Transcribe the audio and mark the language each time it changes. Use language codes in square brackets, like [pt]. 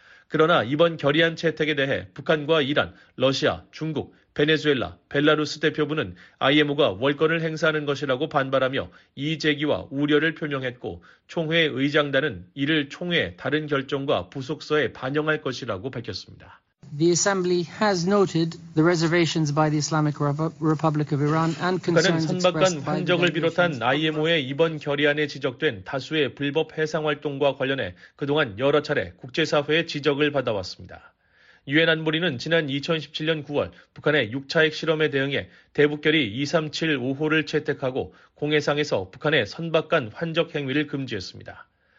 [ko] 그러나 이번 결의안 채택에 대해 북한과 이란, 러시아, 중국, 베네수엘라, 벨라루스 대표부는 IMO가 월권을 행사하는 것이라고 반발하며 이의 제기와 우려를 표명했고 총회 의장단은 이를 총회 다른 결정과 부속서에 반영할 것이라고 밝혔습니다. [en] The Assembly has noted the reservations by the Islamic Republic of Iran and concerns expressed by the Republic of Iran. [ko] 북한은 선박 간 환적을 비롯한 IMO의 이번 결의안에 지적된 다수의 불법 해상 활동과 관련해 그동안 여러 차례 국제사회의 지적을 받아왔습니다. 유엔 안보리는 지난 2017년 9월 북한의 6차 핵실험에 대응해 대북결의 2375호를 채택하고 공해상에서 북한의 선박 간 환적 행위를 금지했습니다.